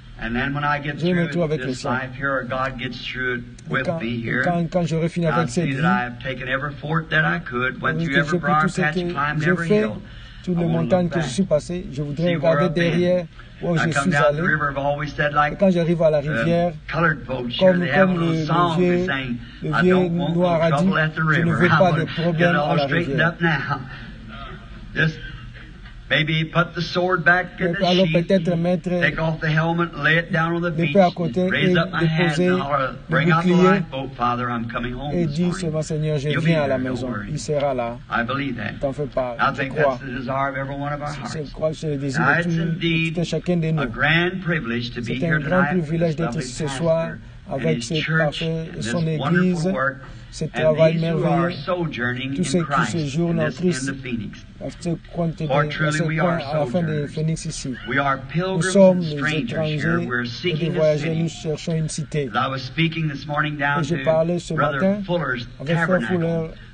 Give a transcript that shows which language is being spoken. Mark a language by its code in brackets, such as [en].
[en] And then when I get through this life here, or God gets through it with me here, [fr] quand [en] God sees that I have taken every fort that I could, went through every briar patch, climbed every hill, [fr] toutes les montagnes que je suis passé, je voudrais regarder derrière où je suis allé. Et quand j'arrive à la rivière, comme le vieux noir a dit, je ne veux pas de problème à la rivière. [en] Maybe put the sword back in the sheath, take off the helmet, lay it down on the beach, raise up my hands, and bring out the lifeboat, Father, I'm coming home this morning. You'll be there, don't worry. [fr] Il sera là. [en] I believe that. [fr] T'en fais pas. [en] I think that's the desire of every one of our hearts. It's indeed a grand privilege to be here tonight with this lovely pastor and his church and this wonderful work. [fr] Ce travail merveilleux, tous ceux qui séjournent en Christ, à ce coin de la fin de Phoenix ici. Nous sommes des étrangers, des voyageurs, nous cherchons une cité. Et je parlais ce matin avec Frère Fuller